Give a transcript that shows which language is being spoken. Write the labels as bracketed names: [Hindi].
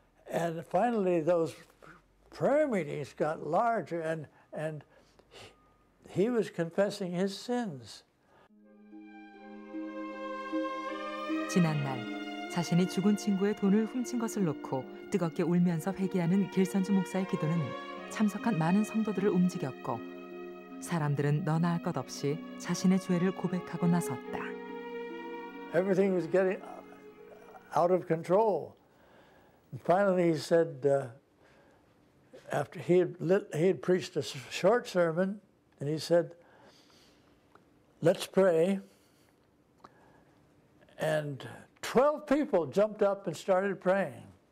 [English] And finally those prayer meetings got larger and he was confessing his sins. [Korean] 지난날 자신이 죽은 친구의 돈을 훔친 것을 놓고 뜨겁게 울면서 회개하는 길선주 목사의 기도는 참석한 많은 성도들을 움직였고 사람들은 너나 할 것 없이 자신의 죄를 고백하고 나섰다. [English] Everything was getting out of control. Finally he said after he had preached a short sermon and he said let's pray and 12 people jumped up and started praying.